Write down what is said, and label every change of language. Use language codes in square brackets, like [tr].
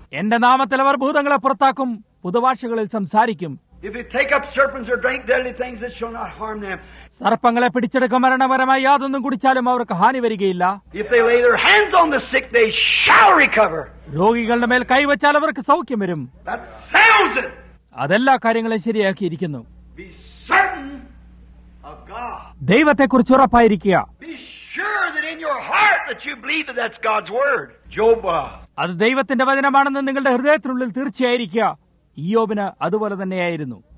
[ml] എന്റെ നാമത്തിൽ അവർ ഭൂതങ്ങളെ പുറത്താക്കും, പുതുഭാഷകളിൽ സംസാരിക്കും. [en] If you take up serpents or drink deadly things, it shall not harm them. [ml] സർപ്പങ്ങളെ പിടിച്ചെടുക്കുക, മരണപരമായി യാതൊന്നും കുടിച്ചാലും അവർക്ക് ഹാനി വരികയില്ല. [en] If they lay their hands on the sick, they shall recover. [ml] രോഗികളുടെ മേൽ കൈവച്ചാൽ അവർക്ക് സൗഖ്യം വരും. [en] That sounds it. [ml] അതെല്ലാ കാര്യങ്ങളും ശരിയാക്കിയിരിക്കുന്നു. [en] Be certain of God. [ml] ദൈവത്തെ കുറിച്ച് ഉറപ്പായിരിക്കുക. [en] Be sure that in your heart that you believe that that's God's word. Job. [ml] അത് ദൈവത്തിന്റെ വചനമാണെന്ന് നിങ്ങളുടെ ഹൃദയത്തിനുള്ളിൽ തീർച്ചയായിരിക്കുക. ഇയ്യോബിന് അതുപോലെ തന്നെയായിരുന്നു.